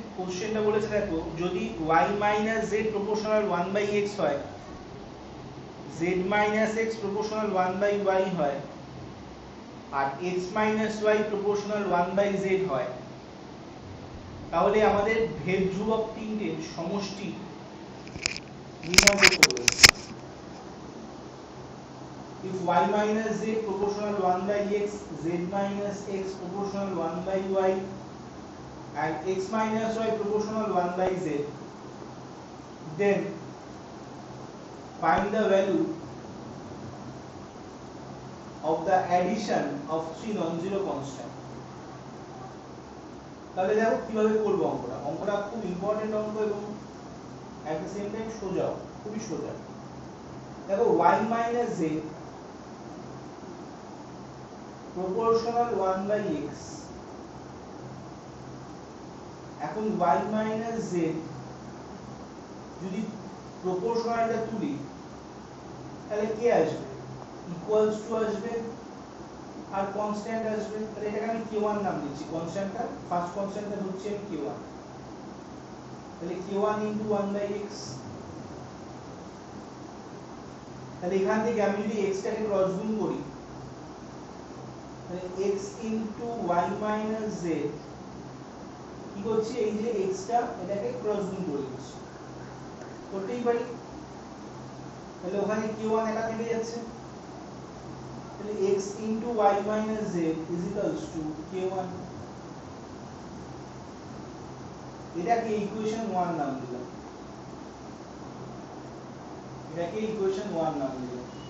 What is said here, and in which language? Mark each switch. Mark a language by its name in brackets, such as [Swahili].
[Bangla] কোশ্চেনটা বলেছে দেখো, যদি y minus z proportional 1 by x হয়, z minus x proportional 1 by y হয়, আর x minus y proportional 1 by z হয়, তাহলে আমাদের ভেদ ধ্রুবক তিনটের সমষ্টি নির্ণয় করতে হবে। [English] If y minus z proportional 1 by x, z minus x proportional 1 by y, and x minus y proportional 1 by z, then find the value of the addition of three non-zero constant. [Bangla] তাহলে দেখো কিভাবে করবো অঙ্কটা। অঙ্কটা খুব important অঙ্ক এবং [English] at the same time [Bangla] সোজা, খুবই সোজা। দেখো y minus z [English] proportional 1 by x, [Bangla] এখন y মাইনাস z যদি প্রপোর্শনালটা তুলি তাহলে কে আসবে? ইকুয়ালস টু আসবে আর কনস্ট্যান্ট আসবে। তাহলে এটাকে আমি k1 নাম দিচ্ছি, কনস্ট্যান্টটা ফার্স্ট কনস্ট্যান্টটা হচ্ছে আমি k1। তাহলে k1 ইন্টু 1 বাই x, তাহলে এখান থেকে আমি যদি x-টাকে ক্রস গুণ করি [English] x into y minus z [Bangla] কি করছি, এই যে x টা এটাকে ক্রস গুণ করে দিচ্ছি, করতেই পারি। তাহলে ওখানে q1 একা থেকে যাচ্ছে, তাহলে [English] x into y minus z is equals to k1। [Bangla] এটাকে ইকুয়েশন 1 নাম দিলাম, এটাকে ইকুয়েশন 1 নাম দিলাম।